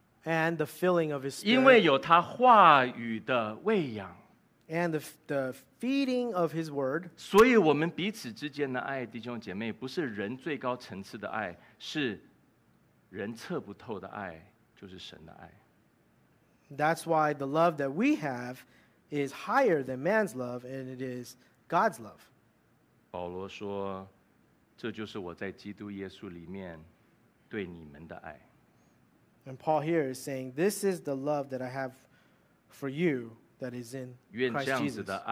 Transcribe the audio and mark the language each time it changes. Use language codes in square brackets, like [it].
[en] and the filling of His Spirit, [zh] 因为有他话语的喂养, [en] and the feeding of His Word, [zh] 所以我们彼此之间的爱, 弟兄姐妹, 不是人最高层次的爱, 是人测不透的爱, 就是神的爱。 [en] That's why the love that we have is higher than man's love, and it is God's love. [zh] 保罗说, 这就是我在基督耶稣里面对你们的爱。 [en] And Paul here is saying, this is the love that I have for you that is in Christ Jesus.